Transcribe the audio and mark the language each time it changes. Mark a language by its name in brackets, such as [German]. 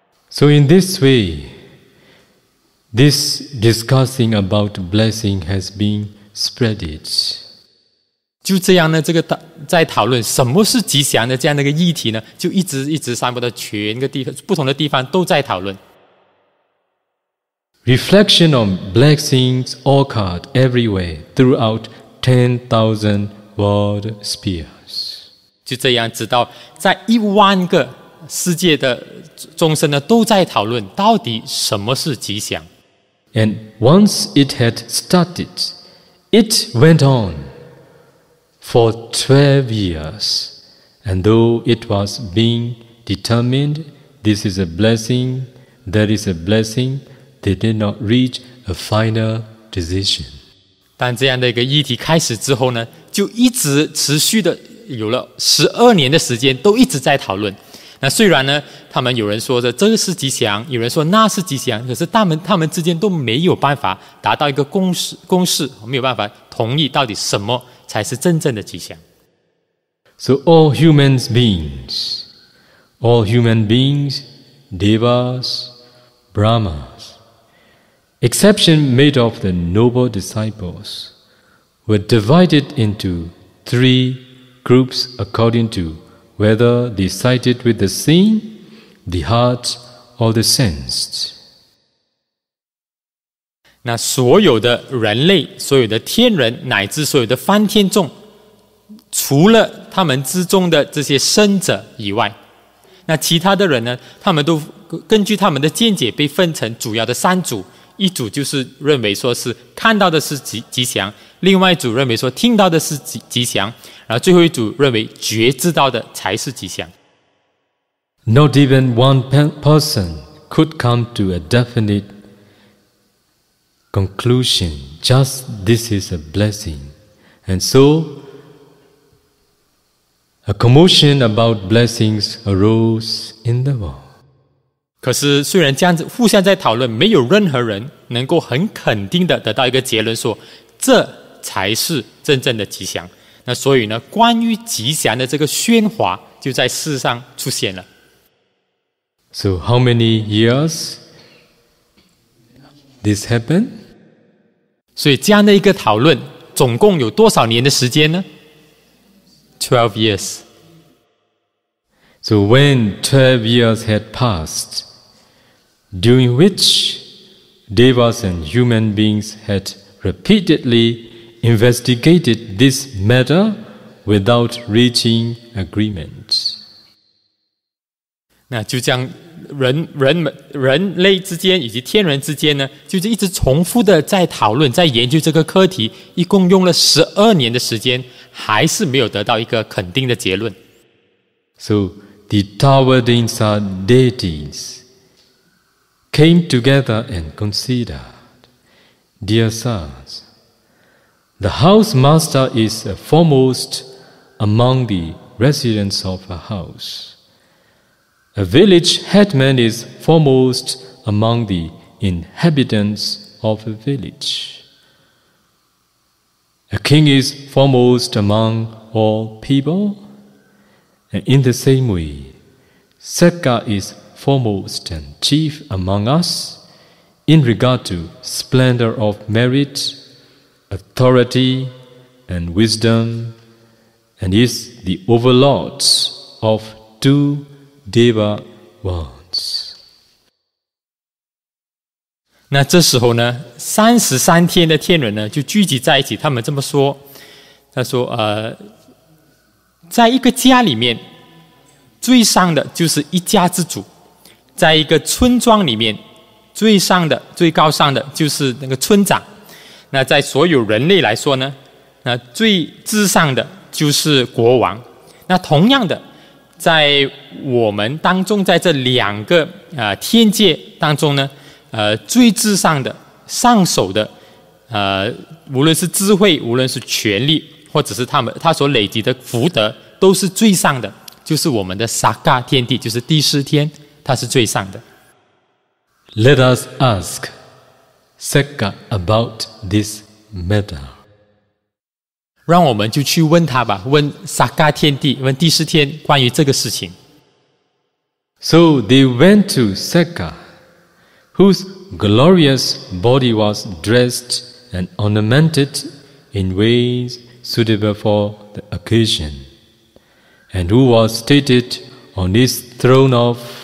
[English] So in this way, this discussing about blessing has been spreaded. [Chinese] 就这样呢，这个在讨论什么是吉祥的这样的一个议题呢，就一直散布到全个地方，不同的地方都在讨论。 [English] Reflection on blessings occurred everywhere throughout 10,000 world spheres. [Chinese] 就这样，直到在一万个世界的众生呢，都在讨论到底什么是吉祥。 [English] And once it had started, it went on for 12 years. And though it was being determined, this is a blessing, that is a blessing. They did not reach a final decision. [Chinese] 当这样的一个议题开始之后呢，就一直持续的有了十二年的时间，都一直在讨论。那虽然呢，他们有人说着这个是吉祥，有人说那是吉祥，可是他们之间都没有办法达到一个公式，没有办法同意到底什么才是真正的吉祥。 [English] So all human beings, devas, brahmas. Exception made of the noble disciples were divided into three groups according to whether they sided with the seeing, the heart, or the sensed. [Chinese] 那所有的人类，所有的天人，乃至所有的梵天众，除了他们之中的这些生者以外，那其他的人呢？他们都根据他们的见解被分成主要的三组。一组就是认为说是看到的是吉祥，另外一组认为说听到的是吉祥，然后最后一组认为觉知到的才是吉祥。 [English] Not even one person could come to a definite conclusion. Just this is a blessing. And so, a commotion about blessings arose in the world. [Chinese] 可是虽然这样子互相在讨论，没有任何人能够很肯定的得到一个结论说这才是真正的吉祥。那所以呢，关于吉祥的这个喧哗就在世上出现了。 [English] So how many years this happened? [Chinese] 所以这样的一个讨论总共有多少年的时间呢？ [English] 12 years. So when 12 years had passed,During which devas and human beings had repeatedly investigated this matter without reaching agreement. [Chinese] 那就这样，人类之间以及天人之间呢，就是一直重复的在讨论，在研究这个课题，一共用了十二年的时间，还是没有得到一个肯定的结论。 [English] So the towering deities. Came together and considered, dear sons, the house master is foremost among the residents of a house. A village headman is foremost among the inhabitants of a village. A king is foremost among all people. And in the same way, Sekka isForemost and chief among us, in regard to splendor of merit, authority, and wisdom, and is the overlord of two deva worlds. [Chinese] 那这时候呢，三十三天的天人呢，就聚集在一起。他们这么说，他说：“在一个家里面，最上的就是一家之主。” 在一个村庄里面，最上的、最高上的就是那个村长。那在所有人类来说呢，那最至上的就是国王。那同样的，在我们当中，在这两个天界当中呢，最至上的、上首的，无论是智慧，无论是权力，或者是他所累积的福德，都是最上的，就是我们的萨嘎天地，就是第四天。他是最上的。 [English] Let us ask Sekka about this matter. [Chinese] 让我们就去问他吧，问萨嘎天帝，问第四天关于这个事情。 [English] So they went to Sekka, whose glorious body was dressed and ornamented in ways suitable for the occasion, and who was seated on his throne of